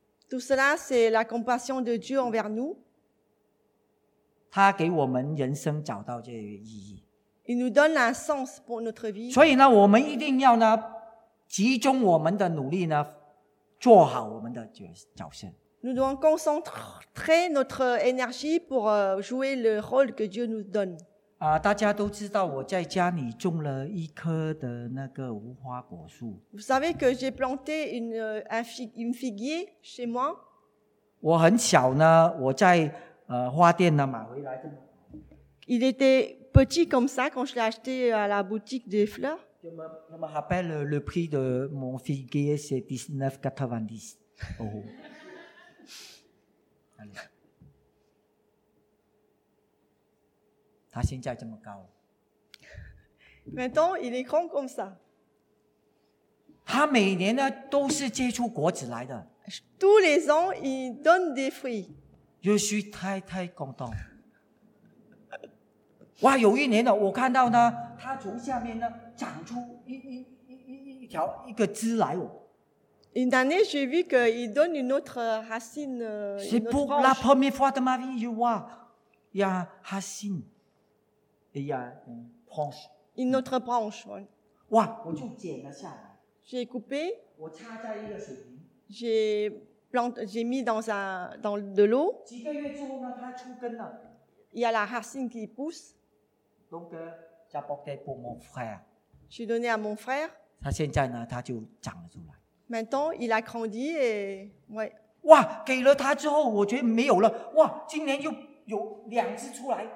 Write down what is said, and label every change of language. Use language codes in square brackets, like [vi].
[fr] Tout cela, c'est la compassion de Dieu envers nous. [zh] 他给我们人生找到这个意义。 [fr] Il nous donne un sens pour notre vie. [zh] 所以呢，我们一定要呢，集中我们的努力呢，做好我们的角色。 [fr] Nous devons concentrer notre énergie pour jouer le rôle que Dieu nous donne. [zh] 啊，大家都知道我在家里种了一棵的那个无花果树。 [fr] Vous savez que j'ai planté une figuier chez moi. [zh] 我很小呢，我在。花店呢买回来的。 [fr] Il était petit comme ça quand je l'ai acheté à la boutique des fleurs. Je me rappelle le prix de mon figuier, c'est 19,90 euros. Ça, c'est déjà tellement cao. Maintenant, il est grand comme ça. [zh] 他每年呢都是结出果子来的。 [fr] Tous les ans, il donne des fruits. Je suis très content. [zh] 哇，有一年呢，我看到呢，它从下面呢长出一条一个枝来哦。 [fr] Une année, j'ai vu que il donne une autre racine. C'est pour la première fois de ma vie, je vois, il y a racine, il y a une branche. une autre branche. [zh] Ouais. 我就剪了下来, [fr] j'ai coupé. [zh] 我插在一个水瓶, [fr] j'ai mis dans de l'eau. [zh] 几个月之后呢, 它出根了, [fr] il y a la racine qui pousse. Donc, j'ai apporté pour mon frère. J'ai donné à mon frère. [zh] 他现在呢, 他就长了出来, [fr] maintenant, il a grandi et. Ouais. [zh] 哇, 给了他之后, 我觉得没有了, 哇, 今年又有两只出来,